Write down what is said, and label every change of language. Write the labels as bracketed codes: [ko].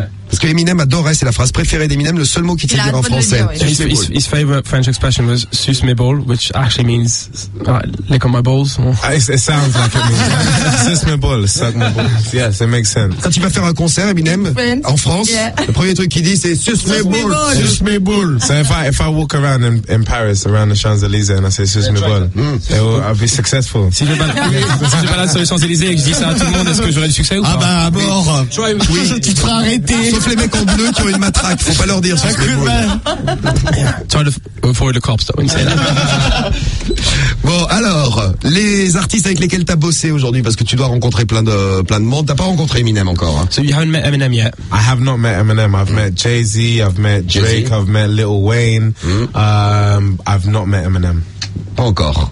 [fr] Parce que Eminem adorait, c'est la phrase préférée d'Eminem, le seul mot qu'il sait dire en français. [en] His favorite French expression was [fr] "suce mes balls", [en] which actually means "lick on my balls". It sounds like it means [fr] "suce mes balls", [en] "suck my balls". Yes, it makes sense. [fr] Quand tu vas faire un concert, Eminem, en France, le premier truc qu'il dit c'est "suce mes balls", "suce mes balls". [en] So if I walk around in Paris, around the Champs Elysees, and I say [fr] "suce mes balls", [en] I'll be successful. [fr] Si je vais pas là sur les Champs Elysees et que je dis ça à tout le monde, est-ce que j'aurai du succès ou pas? Ah bah à bord. Oui. Tu te feras arrêter. Sauf les mecs en bleu qui ont une matraque, faut pas leur dire ça. [en] Try to avoid the cops, don't say that. [fr] Bon, alors, les artistes avec lesquels t'as bossé aujourd'hui, parce que tu dois rencontrer plein de monde, t'as pas rencontré Eminem encore. [en] So you haven't met Eminem yet? I have not met Eminem. I've met Jay-Z, I've met Drake, I've met Lil Wayne. I've not met Eminem. [fr] Pas encore.